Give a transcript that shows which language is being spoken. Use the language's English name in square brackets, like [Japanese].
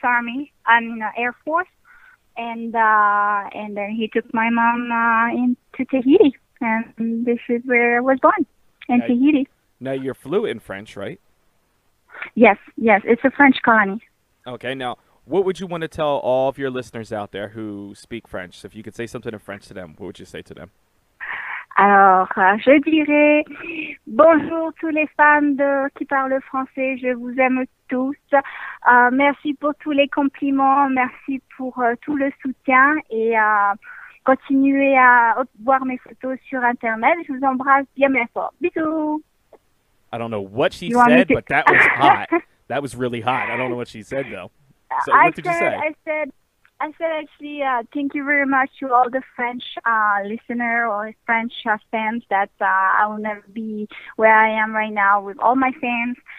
[English] Army, Air Force, and then he took my mom into Tahiti, and this is where I was born, Tahiti. Now you're fluent in French, right? Yes, it's a French colony. Okay, now, what would you want to tell all of your listeners out there who speak French? So if you could say something in French to them, what would you say to them? [French] Alors, je dirais bonjour tous les fans qui parlent français. Je vous aime tous. Merci pour tous les compliments. Merci pour tout le soutien. Et continuez à voir mes photos sur Internet. Je vous embrasse bien, bien fort. Bisous. [English] I don't know what she said, but that was hot. That was really hot. I don't know what she said, though. So what I said, thank you very much to all the French listener or French fans that I will never be where I am right now with all my fans.